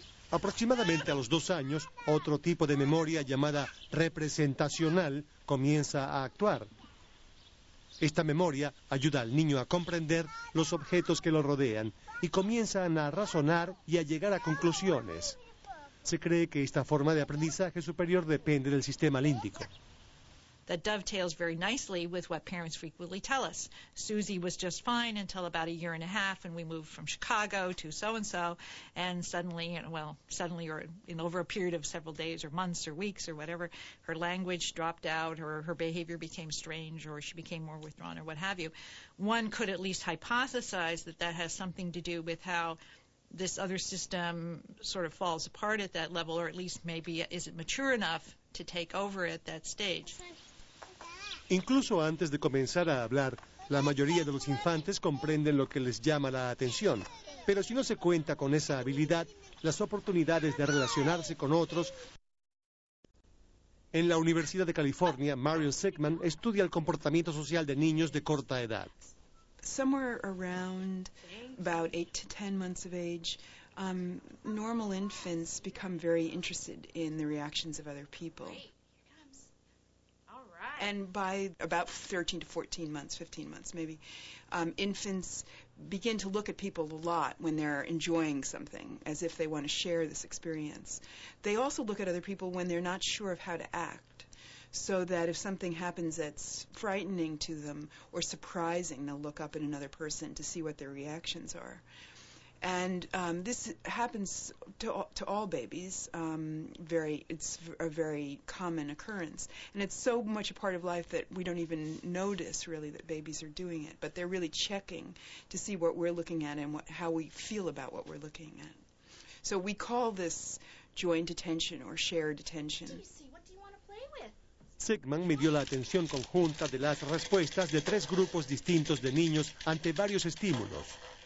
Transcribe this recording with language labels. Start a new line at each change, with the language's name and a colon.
Spanish: Aproximadamente a los 2 años, otro tipo de memoria llamada representacional comienza a actuar. Esta memoria ayuda al niño a comprender los objetos que lo rodean y comienzan a razonar y a llegar a conclusiones. Se cree que esta forma de aprendizaje superior depende del sistema límbico.
English: That dovetails very nicely with what parents frequently tell us. Susie was just fine until about a year and a half, and we moved from Chicago to so-and-so, and suddenly, well, suddenly or in over a period of several days or months or weeks or whatever, her language dropped out or her behavior became strange or she became more withdrawn or what have you. One could at least hypothesize that that has something to do with how this other system sort of falls apart at that level, or at least maybe isn't mature enough to take over at that stage.
Spanish: Incluso antes de comenzar a hablar, la mayoría de los infantes comprenden lo que les llama la atención. Pero si no se cuenta con esa habilidad, las oportunidades de relacionarse con otros... En la Universidad de California, Marion Seligman estudia el comportamiento social de niños de corta edad.
English: Somewhere around about 8 to 10 months of age, normal infants become very interested in the reactions of other people. And by about 13 to 14 months, 15 months maybe, infants begin to look at people a lot when they're enjoying something, as if they want to share this experience. They also look at other people when they're not sure of how to act, so that if something happens that's frightening to them or surprising, they'll look up at another person to see what their reactions are. And this happens to all babies. It's a very common occurrence. And it's so much a part of life that we don't even notice, really, that babies are doing it. But they're really checking to see what we're looking at and how we feel about what we're looking at. So we call this joint attention or shared attention. Do you see? What do you want to play with?
Spanish: Seligman midió la atención conjunta de las respuestas de 3 grupos distintos de niños ante varios estímulos.